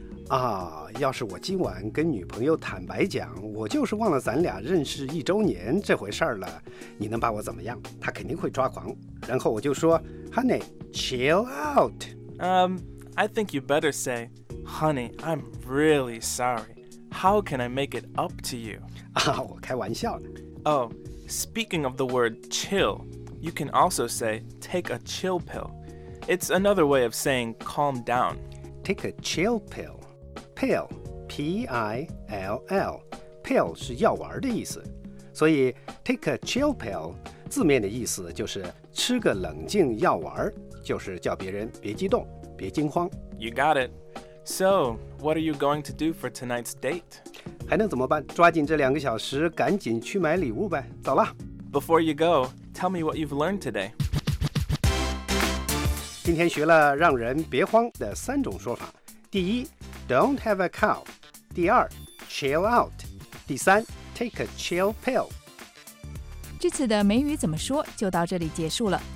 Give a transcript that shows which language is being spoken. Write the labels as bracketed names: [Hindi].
[Chinese] 啊，要是我今晚跟女朋友坦白讲，我就是忘了咱俩认识一周年这回事了，你能把我怎么样？她肯定会抓狂。然后我就说 ， [English] Honey, chill out. I think you better say, Honey, I'm really sorry. How can I make it up to you? [Chinese] 啊，我开玩笑呢。 [English] Oh, speaking of the word chill, you can also say take a chill pill. It's another way of saying calm down. Take a chill pill. Pill, P-I-L-L, pill [Chinese] 是药丸的意思，所以 [English] take a chill pill [Chinese] 字面的意思就是吃个冷静药丸，就是叫别人别激动，别惊慌。 [English] You got it. So, what are you going to do for tonight's date? [Chinese] 还能怎么办？抓紧这两个小时，赶紧去买礼物呗。走了。 [English] Before you go, tell me what you've learned today. [Chinese] 今天学了让人别慌的三种说法。第一 [English] ,don't have a cow. [Chinese] 第二 [English] ,chill out. [Chinese] 第三 [English] ,take a chill pill. [Chinese] 这次的美语怎么说就到这里结束了。